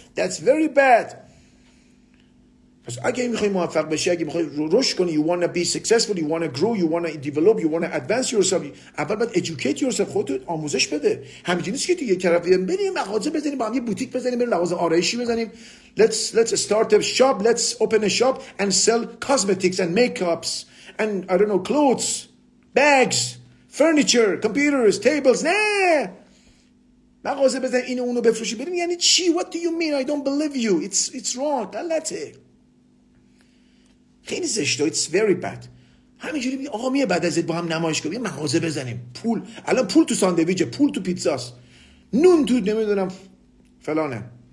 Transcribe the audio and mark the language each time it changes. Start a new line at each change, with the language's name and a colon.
English: That's very bad.
Persian: پس اگه میخوای موفق بشی، اگه میخوای رشد کنی،
English: you wanna be successful, you wanna grow, you wanna develop, you wanna advance yourself,
Persian: اول باید
English: educate yourself،
Persian: خودتو آموزش بده. همینجوری نیست که تو یه طرف بریم مغازه بزنیم، با هم یه بوتیک بزنیم، بریم لوازم آرایشی بزنیم.
English: Let's start a shop, let's open a shop and sell cosmetics and makeups and I don't know clothes, bags, furniture, computers, tables.
Persian: نه مغازه بزنیم اینو اونو بفروشیم بریم. یعنی چی؟
English: What do you mean? I don't believe you. It's wrong.
Persian: غلطه. خیلی زشته.
English: It's very bad.
Persian: همینجوری میگه آقا میه بعد ازت با هم نمایش کنیم، مغازه بزنیم، پول. الان پول تو ساندویچه، پول تو پیتزاست، نون تو نمیدونم فلانه.